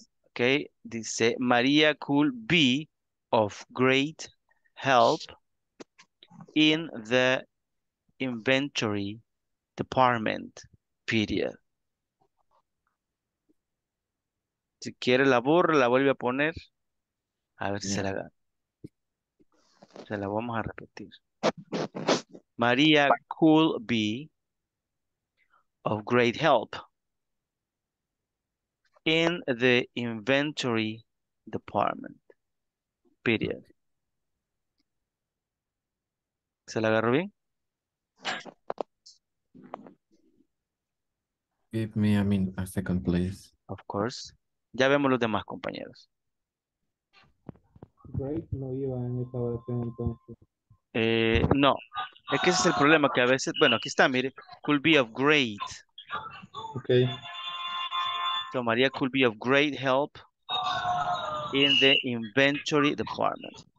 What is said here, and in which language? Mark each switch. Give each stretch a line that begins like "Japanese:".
English: Okay,
Spanish: dice,
English: Maria could be of great help in the inventory department, period.
Spanish: Si quiere la borra, la vuelve a poner. A ver si se la gana. Se la vamos a repetir.
English: Maria could be of great help in the inventory department. Period.
Spanish: ¿Se la agarró bien?
English: Give me a second, please. Of course.
Spanish: Ya vemos los demás compañeros. Great no iba en esta oración entonces. No. Es que ese es el problema, que a veces, bueno, aquí está, mire.
English: Could be of great. Okay. So Maria could be of great help in the inventory department.